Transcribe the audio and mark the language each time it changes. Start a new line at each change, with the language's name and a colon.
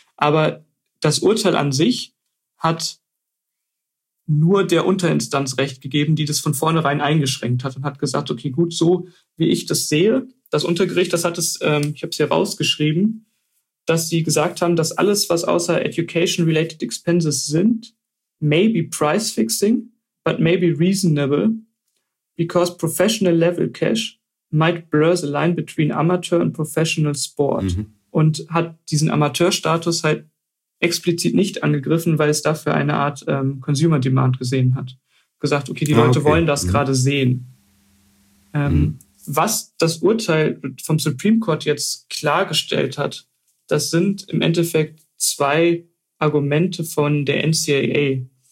German: Aber das Urteil an sich hat nur der Unterinstanz Recht gegeben, die das von vornherein eingeschränkt hat und hat gesagt, okay, gut, so wie ich das sehe, das Untergericht, das hat es, ich habe es hier rausgeschrieben, dass sie gesagt haben, dass alles, was außer Education-Related Expenses sind,
English: may be price-fixing, but may be reasonable, because professional-level cash might blur the line between amateur and professional sport. Mhm.
German: Und hat diesen Amateurstatus halt explizit nicht angegriffen, weil es dafür eine Art Consumer Demand gesehen hat. Gesagt, okay, die Leute wollen das gerade sehen. Was das Urteil vom Supreme Court jetzt klargestellt hat, das sind im Endeffekt zwei Argumente von der NCAA.